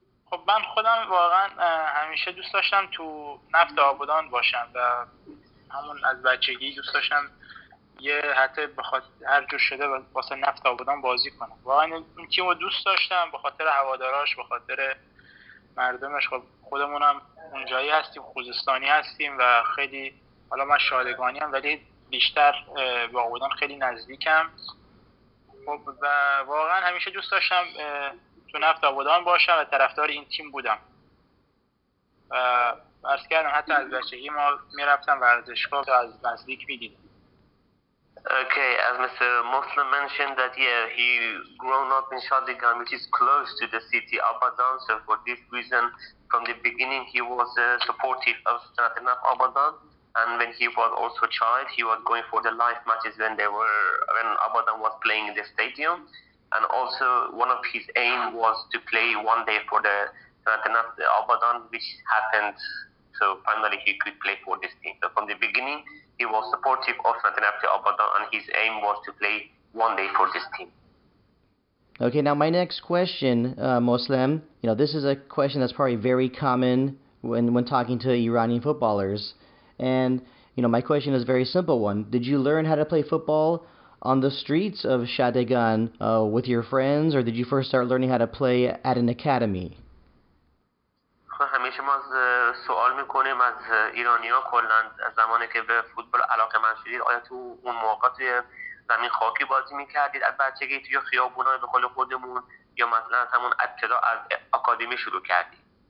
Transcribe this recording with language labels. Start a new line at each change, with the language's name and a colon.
Persian: خب من خودم واقعا همیشه دوست داشتم تو نفت آبادان باشم و همون از بچگی دوست داشتم یه حتی بخاطر هر جور شده واسه نفت آبادان بازی کنم واقعا اون تیم رو دوست داشتم بخاطر هواداراش بخاطر مردمش خب خودمونم اونجایی هستیم خوزستانی هستیم و خیلی حالا من شادگانی هم ولی بیشتر با آبادان خیلی نزدیکم خب و واقعا همیشه دوست داشتم تو نفت آبادان باشم و طرفدار این تیم بودم و عرض کردم حتی از بچگی ما میرفتم ورزشگاه تا از نزدیک میدیدم
English: Okay, as Mr. Moslem mentioned that, yeah, he grown up in Shadegan, which is close to the city Abadan. So for this reason, from the beginning, he was supportive of Sanat Naft Abadan. And when he was also a child, he was going for the live matches when Abadan was playing in the stadium. And also one of his aim was to play one day for the Sanat Naft Abadan, which happened. So finally, he could play for this team. So from the beginning, he was supportive of Sanat Naft Abadan, and his aim was to play one day for this team. Okay, now my next question, Moslem, you know, this is a question that's probably very common when talking to Iranian footballers. And, you know, my question is a very simple one. Did you learn how to play football on the streets of Shadegan with your friends, or did you first start learning how to play at an academy?
Persian: همیشه ما سوال میکنیم از ایرانی ها کلن از زمانی که به فوتبال علاقه من شدید آیا تو اون موقع توی زمین خاکی بازی میکردید از بچگی توی خیابون های به خال خودمون یا مثلا از همون ابتدا از اکادمی شروع کردید